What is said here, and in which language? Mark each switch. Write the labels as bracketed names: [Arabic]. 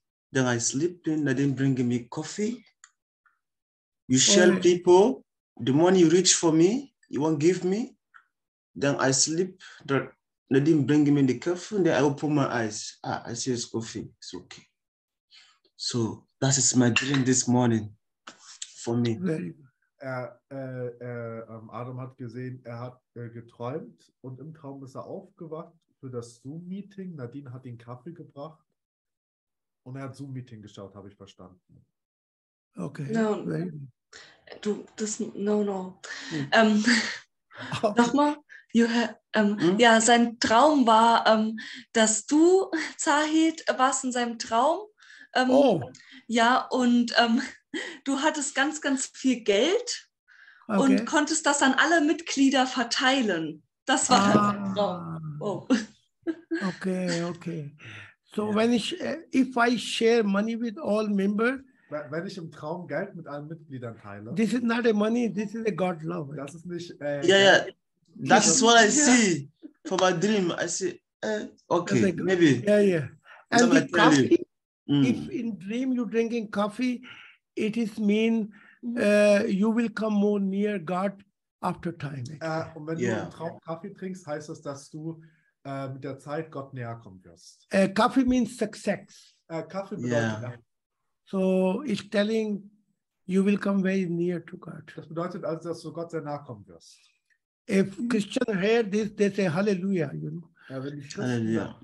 [English] Then I slept in, they didn't bring me coffee. You share people, the money you reach for me, you won't give me. Then I sleep, they didn't bring me the coffee. And then I open my eyes. I see it's coffee. It's okay. So that is my dream this morning for me. [German] Adam hat gesehen, er hat geträumt und im Traum ist er aufgewacht für das Zoom-Meeting. Nadine hat ihm Kaffee gebracht und er hat Zoom-Meeting geschaut, habe ich verstanden. Okay. No, du, das, no, no. Hm. Nochmal, ja, sein Traum war, dass du, Zahid, warst in seinem Traum. Ja, und du hattest ganz, ganz viel Geld. Okay. Und konntest das an alle Mitglieder verteilen. Das war halt mein Traum. [English] Oh. Okay. So, [German] wenn ich, [English] if I share money with all members. [German] Wenn ich im Traum Geld mit allen Mitgliedern teile. [English] This is not a money, this is a God love. [German] Das ist nicht. [English] That is what I see for my dream. I see. Okay, like, maybe. Yeah. And the coffee, if in dream you're drinking coffee, it is mean. You will come more near God after time. [German] Und wenn du einen Traum Kaffee trinkst, heißt das, dass du mit der Zeit Gott näher kommen wirst. [English] Coffee means success. [German] Kaffee bedeutet [English] So it's telling you will come very near to God. [German] Das bedeutet also, dass du Gott sehr nahe kommen wirst. [English] If Christian hear this, they say hallelujah, you know.